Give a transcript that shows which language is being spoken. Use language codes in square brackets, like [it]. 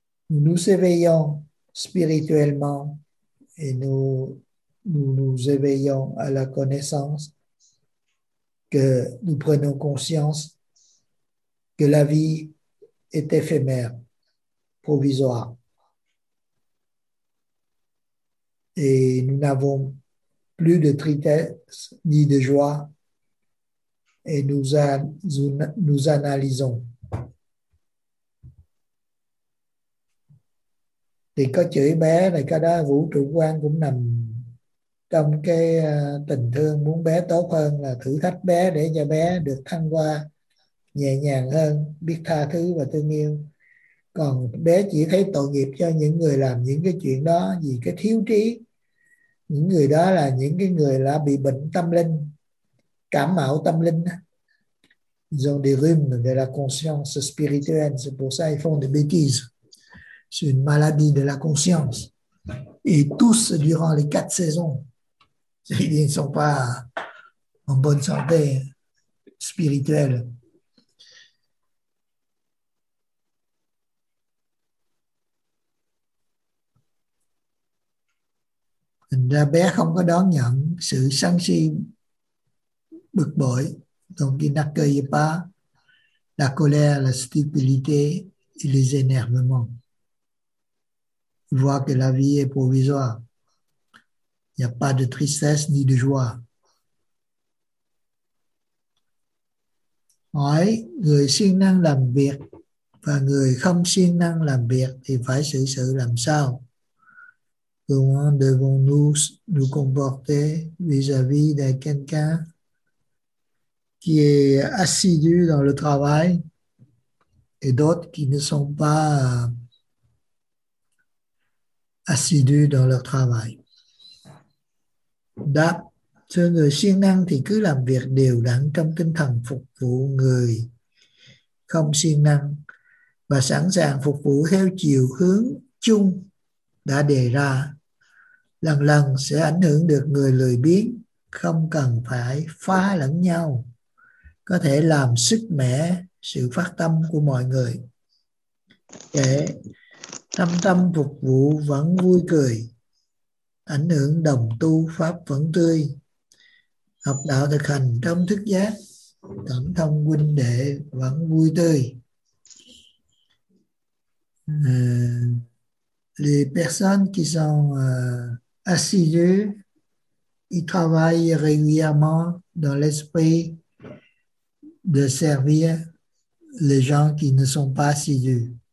[fr] Nous nous éveillons spirituellement et nous nous éveillons à la connaissance que nous prenons conscience que la vie est éphémère, provisoire. Et nous n'avons plus de tristesse ni de joie et nous analysons. [vi] Thì có chửi bé này, cái đó vũ trụ quan cũng nằm trong cái tình thương muốn bé tốt hơn, là thử thách bé để cho bé được thăng hoa nhẹ nhàng hơn, biết tha thứ và thương yêu. Còn bé chỉ thấy tội nghiệp cho những người làm những cái chuyện đó vì cái thiếu trí. Những người đó là những cái người đã bị bệnh tâm linh, cảm mạo tâm linh. [fr] Ils ont des rhumes de la conscience spirituelle, c'est pour ça ils font des bêtises. C'est une maladie de la conscience. Et tous durant les quatre saisons, ils ne sont pas en bonne santé spirituelle. [vi] Là, bé không có đón nhận sự sân si bực bội. [fr] Donc, il n'accueille pas la colère, la stupidité et les énervements. Il voit que la vie est provisoire. Il n'y a pas de tristesse ni de joie. [vi] Hỏi người siêng năng làm việc và người không siêng năng làm việc thì phải xử sự làm sao? [fr] Comment devons-nous nous comporter vis-à-vis de quelqu'un qui est assidu dans le travail et d'autres qui ne sont pas assidus dans leur travail? [vi] Đáp, thưa người siêng năng thì cứ làm việc đều đặn trong tinh thần phục vụ người không siêng năng và sẵn sàng phục vụ theo chiều hướng chung đã đề ra. Lần lần sẽ ảnh hưởng được người lười biếng, không cần phải phá lẫn nhau, có thể làm sức mẻ sự phát tâm của mọi người. Để tâm tâm phục vụ vẫn vui cười, ảnh hưởng đồng tu pháp vẫn tươi, học đạo thực hành trong thức giác, cảm thông huynh đệ vẫn vui tươi. [fr] Les personnes qui sont assidus, ils travaillent régulièrement dans l'esprit de servir les gens qui ne sont pas assidus.